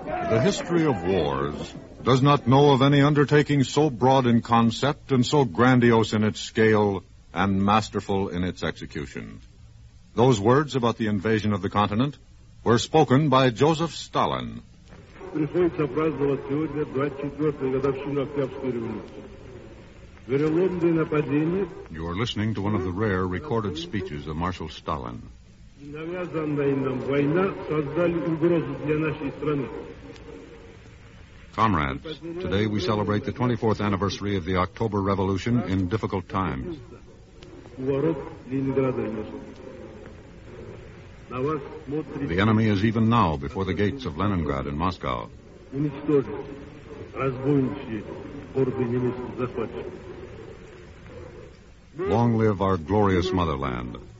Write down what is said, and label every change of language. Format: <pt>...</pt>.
<en>The history of wars does not know of any undertaking so broad in concept and so grandiose in its scale and masterful in its execution. Those words about the invasion of the continent were spoken by Joseph Stalin.</en> <ru>Приходится праздновать сегодня 24-я годовщина Октябрьской революции. Вероломное нападение.</ru> <en>You are listening to one of the rare recorded speeches of Marshal Stalin.</en> <ru>Навязанная нам война создали угрозу для нашей страны.</ru> <en>Comrades, today we celebrate the 24th anniversary of the October Revolution in difficult times. The enemy is even now before the gates of Leningrad and Moscow. Long live our glorious motherland.</en>